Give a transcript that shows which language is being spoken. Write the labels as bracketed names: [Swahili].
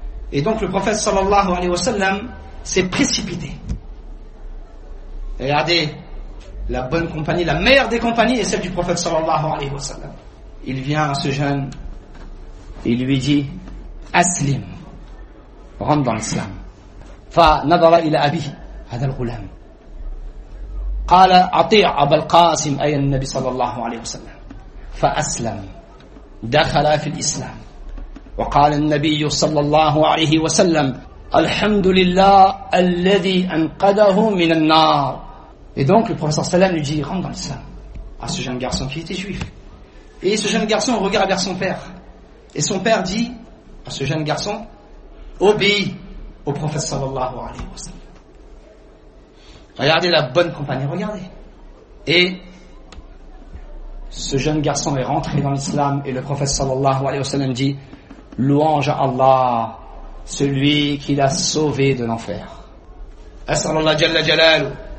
[French] Et donc le prophète sallallahu alayhi wa sallam s'est précipité. Regardez, la bonne compagnie, la meilleure des compagnies est celle du prophète sallallahu alayhi wa sallam. Il vient à ce jeune et il lui dit Aslim, rentre dans l'islam. [Arabic] Fa nadara ila abi hadha al-ghulam. قال اطيع ابا القاسم اي النبي صلى الله عليه وسلم فاسلم دخل في الاسلام وقال النبي صلى الله عليه وسلم الحمد لله الذي انقذه من النار. [French] Et donc le professeur Salam lui dit rentre dans l'islam à ce jeune garçon qui était juif. Et ce jeune garçon regarde vers son père et son père dit à ce jeune garçon obéis au prophète صلى الله عليه وسلم. Regardez la bonne compagnie, regardez. Et ce jeune garçon est rentré dans l'islam et le prophète sallallahu alayhi wa sallam dit « Louange à Allah, celui qui l'a sauvé de l'enfer. » As-salallah jalla jalalu